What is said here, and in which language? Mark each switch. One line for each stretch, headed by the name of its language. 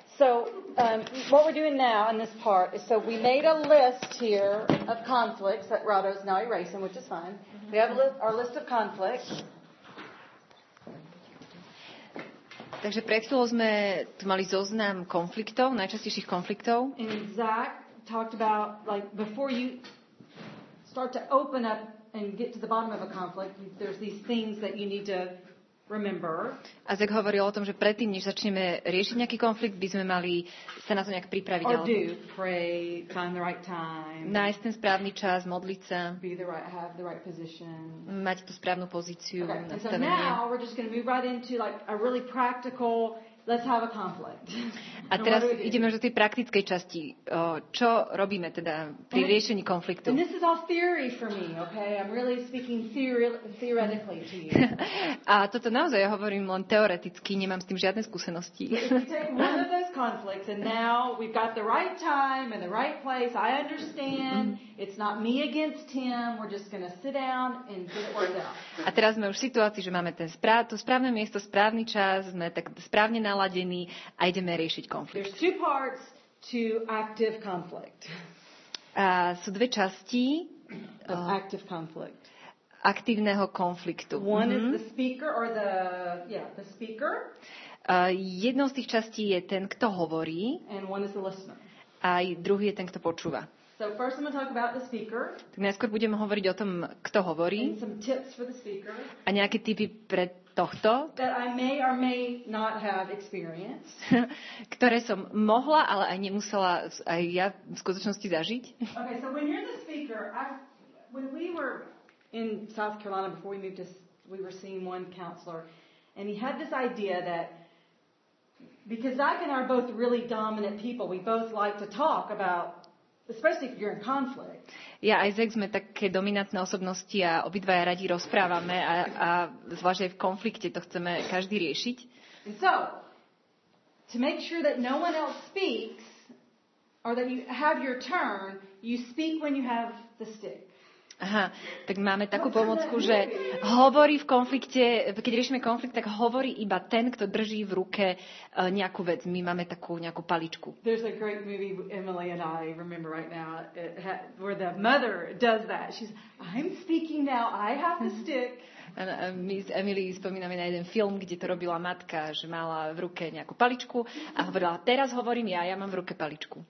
English: So what we're doing now in this part is, so we made a list here of conflicts that Rado's now erasing, which is fine. Mm-hmm. We have our list of conflicts.
Slovak: Takže pred chvíľou sme tu mali zoznam konfliktov, najčastejších konfliktov.
English: And Zach talked about, like, before you start to open up and get to the bottom of a conflict, there's these things that you need to remember.
Slovak: A Zek hovoril o tom, že predtým, než začneme riešiť nejaký konflikt, by sme mali sa na to nejak pripraviť.
English: Or do, pray, find the right time.
Slovak: Nájsť ten správny čas, modliť sa.
English: Be the right, have the right position.
Slovak: Mať tú správnu pozíciu.
English: Okay. And so now we're just going to move right into like a really practical, let's have a conflict.
Slovak: A teraz ideme do tej praktickej časti. Čo robíme teda pri riešení konfliktu?
English: And this is all theory for me, okay? I'm really speaking theoretically to you.
Slovak: A toto naozaj ja hovorím len teoreticky, nemám s tým žiadne skúsenosti.
English: We take one of those conflicts and now we've got the right time and the right place. I understand. It's not me against him. We're just going to sit down and get it worked out.
Slovak: A teraz sme už v situácii, že máme to správne miesto, správny čas, sme tak správne naladený a ideme riešiť konflikt.
English: There's two parts to active conflict.
Slovak: Sú dve časti
English: active conflict.
Slovak: Aktívneho konfliktu.
English: One is the speaker or the, yeah, the speaker.
Slovak: Jednou z tých častí je ten, kto hovorí.
English: And one is the listener.
Slovak: A druhý je ten, kto počúva.
English: So first I'm going to talk about the speaker.
Slovak: Tak najskôr budeme hovoriť o tom, kto hovorí.
English: And some tips for the speaker.
Slovak: A nejaké tipy pre tohto,
English: that I may or may not have experienced.
Slovak: Ktoré som mohla, ale aj nemusela aj ja v skutočnosti zažiť.
English: Okay, so when you're the speaker, when we were in South Carolina before we moved to, we were seeing one counselor and he had this idea that because Zach and I are both really dominant people, we both like to talk about, especially if you're in conflict.
Slovak: Ja a Isaac sme také dominantné osobnosti a obidvaja radi rozprávame a zvlášť aj v konflikte to chceme každý riešiť. And so, to make sure that no one else speaks or that you have your turn, you speak when you have the stick. Aha, tak máme takú pomocku, že hovorí v konflikte, keď riešime konflikt, tak hovorí iba ten, kto drží v ruke nejakú vec. My máme takú nejakú paličku.
English: There's a great movie Emily and I remember right now where the mother does that. She's, I'm speaking now, I have the stick.
Slovak: A my s Emily spomíname na jeden film, kde to robila matka, že mala v ruke nejakú paličku a hovorila, teraz hovorím ja mám v ruke paličku.